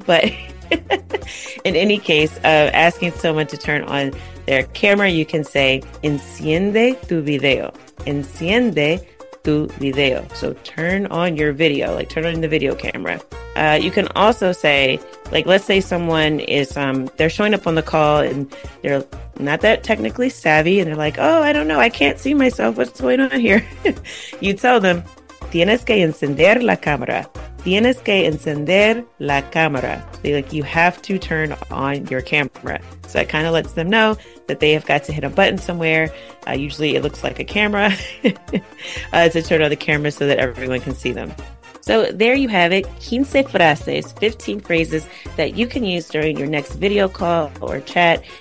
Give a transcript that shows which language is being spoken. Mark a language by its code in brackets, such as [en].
[en] But in any case, asking someone to turn on their camera, you can say, [es] enciende tu video, enciende video. [en] So turn on your video, like turn on the video camera. You can also say, like, let's say someone is, they're showing up on the call and they're not that technically savvy and they're like, oh, I don't know, I can't see myself. What's going on here? You tell them, [es] tienes que encender la cámara. Tienes que encender la cámara. [en] So like, you have to turn on your camera. So it kind of lets them know that they have got to hit a button somewhere. Usually it looks like a camera to turn on the camera so that everyone can see them. So there you have it, 15 frases, 15 phrases that you can use during your next video call or chat.